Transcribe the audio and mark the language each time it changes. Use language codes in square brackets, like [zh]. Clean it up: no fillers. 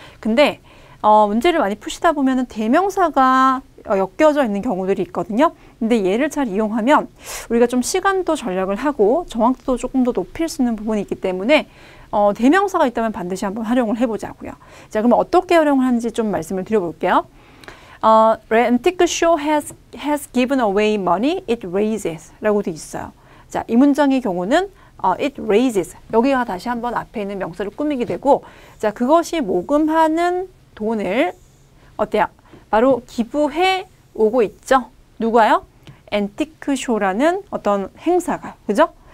[ko] 근데 문제를 많이 푸시다 보면은 대명사가 엮여져 있는 경우들이 있거든요. 근데 얘를 잘 이용하면 우리가 좀 시간도 절약을 하고 정확도도 조금 더 높일 수 있는 부분이 있기 때문에 대명사가 있다면 반드시 한번 활용을 해보자고요. 자, 그럼 어떻게 활용을 하는지 좀 말씀을 드려볼게요. [en] Antique show has given away money it raises 라고 돼 있어요. [ko] 자, 이 문장의 경우는 it raises 여기가 다시 한번 앞에 있는 명사를 꾸미게 되고, 자, 그것이 모금하는 돈을 어때요? 바로 기부해 오고 있죠. 누가요? 앤티크 쇼라는 어떤 행사가, 그죠?